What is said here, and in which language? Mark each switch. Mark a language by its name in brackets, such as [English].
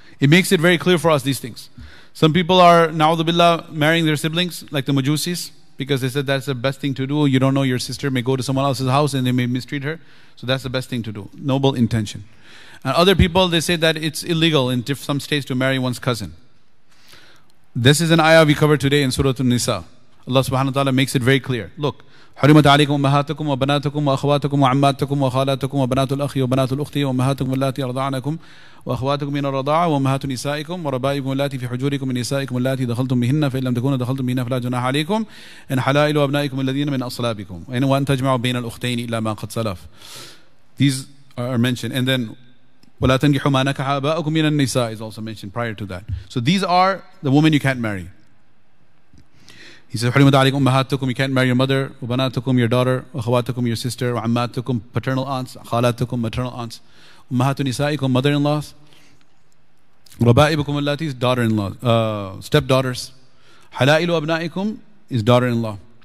[English] It makes it very clear for us these things. Some people are, na'udhu billah, marrying their siblings, like the Majusis, because they said that's the best thing to do. You don't know, your sister may go to someone else's house and they may mistreat her. So that's the best thing to do. Noble intention. And other people, they say that it's illegal in some states to marry one's cousin. This is an ayah we covered today in Surah An-Nisa. Allah subhanahu wa ta'ala makes it very clear. Look. [Arabic] حرمت عليكم امهاتكم وبناتكم واخواتكم وعماتكم وخالاتكم وبنات الاخ وبنات الاخت وامهاتكم اللاتي ارضعنكم واخواتكم من الرضاعه وامهات نسائكم وربائبكم اللاتي في حجوركم من نسائكم اللاتي دخلتم بهن فان لم تكونوا دخلتم بهن فلا جناح عليكم ان حلائل ابنائكم الذين من اصلابكم وان تجمعوا بين الاختين الا ما قد سلف. [English] These are mentioned. And then [Arabic] ولا تنكحوا ما نكح اباؤكم من النساء [English] is also mentioned prior to that. So these are the women you can't marry. He says, [Arabic] حُرِمَتْ عَلَيْكُمْ أُمَّهَاتُكُمْ, [English] you can't marry your mother, وَبَنَاتُكُمْ, your daughter, وَخَوَاتُكُمْ, your sister, وَعَمَّاتُكُمْ, paternal aunts, خَالَاتُكُمْ, maternal aunts, [Arabic] أُمَّهَاتُ نِسَائِكُمْ, [English] mother-in-laws, [Arabic] وَبَائِبُكُمْ اللَّاتِي, [English] daughter-in-law, stepdaughters, [Arabic] حَلَائِلُ أَبْنَائِكُمْ, [English] is daughter-in-law.